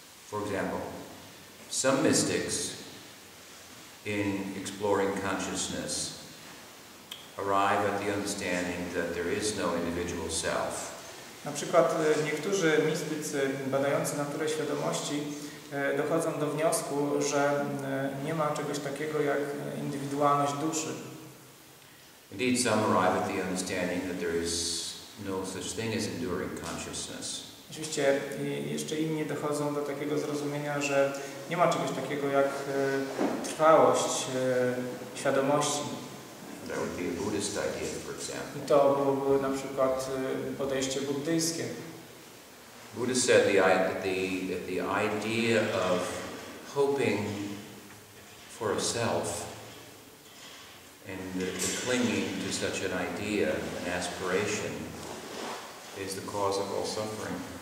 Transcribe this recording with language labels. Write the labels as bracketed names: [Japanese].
[English] For example, some mystics in exploring consciousness arrive at the understanding that there is no individual self. [Polish] Na przykład niektórzy mistycy badający naturę świadomości dochodzą do wniosku, że nie ma czegoś takiego jak indywidualność duszy. [English] Indeed, some arrive at the understanding that there is no such thing as enduring consciousness. [Polish] Oczywiście jeszcze inni dochodzą do takiego zrozumienia, że nie ma czegoś takiego jak trwałość świadomości. [English] That would be a Buddhist idea, for example. [Polish] I to byłoby na przykład podejście buddyjskie. [English] Buddha said that the idea of hoping for a self and the clinging to such an idea, an aspiration, is the cause of all suffering.